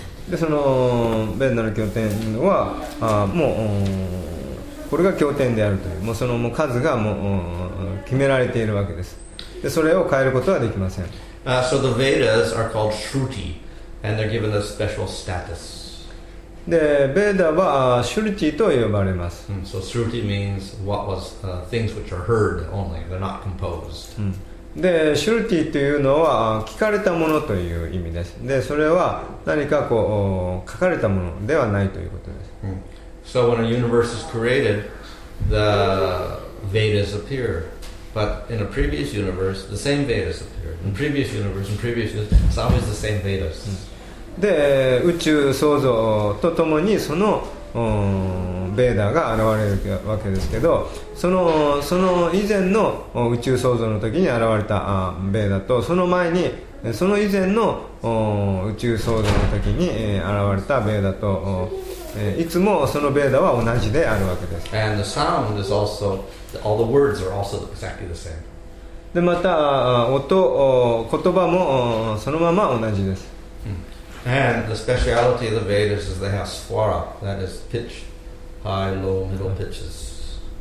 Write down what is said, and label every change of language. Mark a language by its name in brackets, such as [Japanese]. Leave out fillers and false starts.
[Japanese] でそのベンナの経典はもうこれが経典であるという、もうそのもう数がもう決められているわけです。でそれを変えることはできません。 [English] So the Vedas are called Shruti, and they're given a special status. [Japanese] でベーダはシュルティと呼ばれます。 [English] So Shruti means what was things which are heard only. They're not composed. [Japanese] でシュルティというのは聞かれたものという意味です。でそれは何かこう書かれたものではないということです。 [English] So when a universe is created, the Vedas appear. But in a previous universe, the same Vedas appear. In previous universe, in previous universe, it's always the same Vedas. [Japanese] で宇宙創造とともにそのベーダーが現れるわけですけど、その以前の宇宙創造の時に現れたベーダーと、その前にその以前の宇宙創造の時に現れたベーダーと、いつもそのベーダーは同じであるわけです。 [English] And the sound is also, all the words are also exactly the same. [Japanese] でまた音、言葉もそのまま同じです。 [English] And the speciality of the Vedas is they have swara, that is pitch, high, low, middle pitches.